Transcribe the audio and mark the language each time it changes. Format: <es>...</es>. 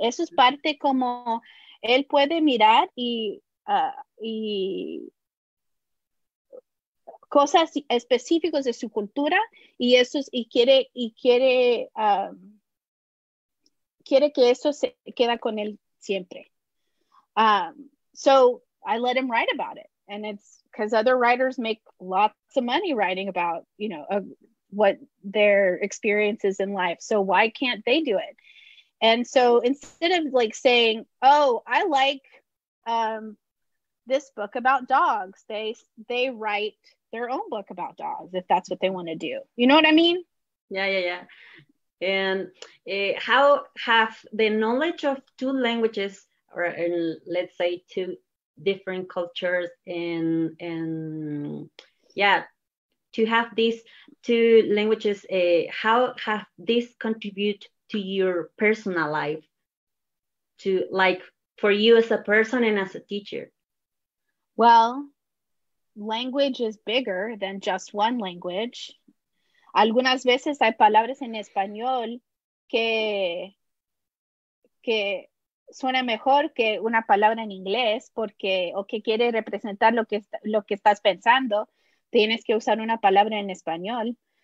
<es>Eso es parte como él puede mirar y cosas específicas de su cultura y eso es, quiere que eso se queda con él siempre.</es> <en>So I let him write about it. And it's because other writers make lots of money writing about, you know, what their experiences in life. So why can't they do it? And so instead of like saying, oh, I like this book about dogs, they write their own book about dogs, if that's what they want to do. You know what I mean? Yeah. And how have the knowledge of two languages, or let's say two different cultures, to have these two languages, how have this contribute to your personal life, to like for you as a person and as a teacher? Well, language is bigger than just one language.</en> <es>Algunas veces hay palabras en español que suena mejor que una palabra en inglés porque o que quiere representar lo que estás pensando, tienes que usar una palabra en español.</es>